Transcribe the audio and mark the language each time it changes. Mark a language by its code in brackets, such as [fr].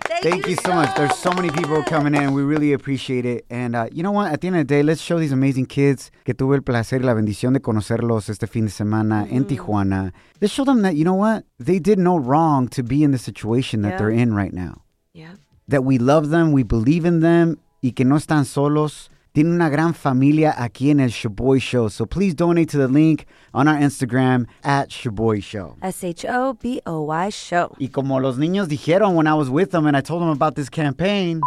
[en] Thank you so much. There's so many people coming in. We really appreciate it. And you know what? At the end of the day, let's show these amazing kids [es] que tuve el placer y la bendición de conocerlos este fin de semana en Tijuana. [en] Let's show them that, you know what? They did no wrong to be in the situation that they're in right now. Yeah. That we love them, we believe in them, [es] y que no están solos. Tiene una gran familia aquí en el Shaboy Show. [en] So please donate to the link on our Instagram at Shaboy Show. S-H-O-B-O-Y Show. [es] Y como los niños dijeron [en] when I was with them and I told them about this campaign.